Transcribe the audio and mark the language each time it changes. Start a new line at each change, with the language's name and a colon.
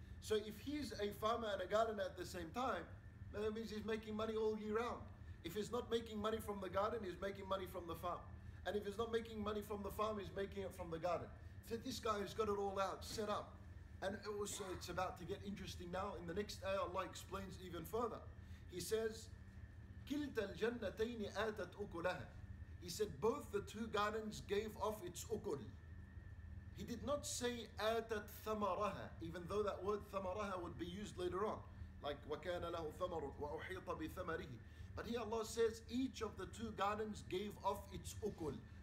English: So if he's a farmer and a gardener at the same time, that means he's making money all year round. If he's not making money from the garden, he's making money from the farm. And if he's not making money from the farm, he's making it from the garden. So this guy has got it all out, set up. And also it's about to get interesting now. In the next ayah, Allah explains even further. He says,
Arabic: كلتا الجنتين آتت أكلها.
English: He said both the two gardens gave off its أكل. He did not say
Arabic: آتت ثمرها,
English: even though that word ثمرها would be used later on, like
Arabic: وكان له ثمر وأحيط بثمره.
English: But here Allah says each of the two gardens gave off its أكل.